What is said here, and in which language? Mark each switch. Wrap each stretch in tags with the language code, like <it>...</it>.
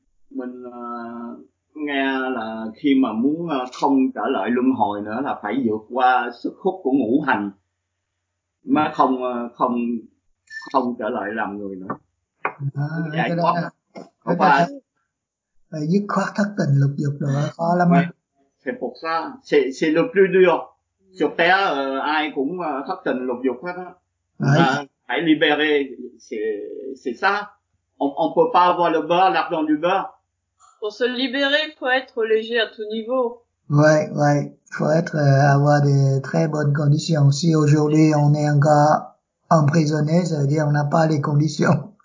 <vi>mình nghe là khi mà muốn không trở lại luân hồi nữa là phải vượt qua sức hút của ngũ hành mà không trở lại làm người nữa. Giải thoát. Không phải. Phải dứt khoát thất tình lục dục nữa khó lắm.</vi> <fr>C'est pour ça, c'est le plus dur. Sur terre,</fr> <vi>ai cũng thất tình lục dục hết á. Phải</vi> <fr>libérer, c'est ça. On peut pas avoir le beurre, l'argent du beurre. Pour se libérer, il faut être léger à tout niveau. Ouais, ouais. Faut être, avoir de très bonnes conditions. Si aujourd'hui on est encore emprisonné, ça veut dire on n'a pas les conditions.</fr>